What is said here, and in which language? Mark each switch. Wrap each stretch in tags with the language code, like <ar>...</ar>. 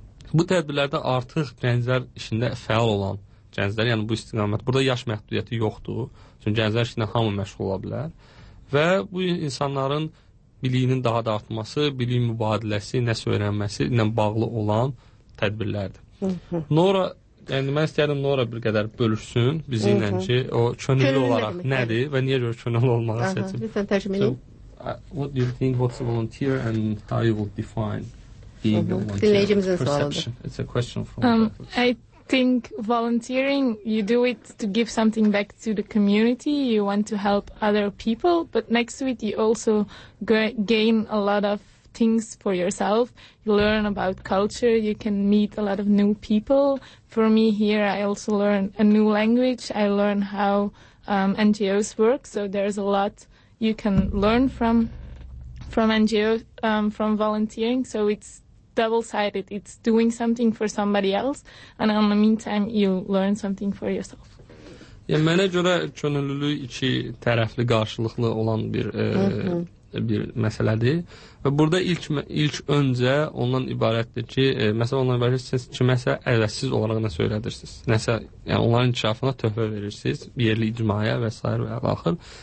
<az>Bu tədbirlərdə artıq gənclər işində fəal olan gənclər, yəni bu istiqamət, burada yaş məhdudiyyəti yoxdur, çünki gənclər işində hamı məşğul ola bilər və bu insanların biliyinin daha da artması, bilik mübadiləsi, nəsə öyrənməsi ilə bağlı olan tədbirlərdir. Nora, yəni mən istəyərdim Nora bir qədər bölüşsün bizi ilə ki, o könüllü olaraq nədir və niyə görə könüllü olmağa seçib. Lütfən tərcümə edin.</az> <en>What do you think, what's a volunteer and how you would define being a volunteer?</en> <az>Dinləyicimizin sualıdır.</az> <en>It's a question from I think volunteering, you do it to give something back to the community, you want to help other people, but next to it you also gain a lot of things for yourself. You learn about culture, you can meet a lot of new people. For me here, I also learn a new language, I learn how NGOs work, so there's a lot you can learn from NGOs, from volunteering, so it's double-sided. It's doing something for somebody else and in the meantime you learn something for yourself.</en> <az>Yəni, mənə görə könüllülük iki tərəfli, qarşılıqlı olan bir bir məsələdir. Və burada ilk öncə ondan ibarətdir ki, məsələn, ondan ibarətdir ki, kiməsə əvəzsiz olaraq nəsə öyrədirsiniz. Nəsə, yəni onların inkişafına töhfə verirsiniz, yerli icmaya və s. və əlaxır.</az>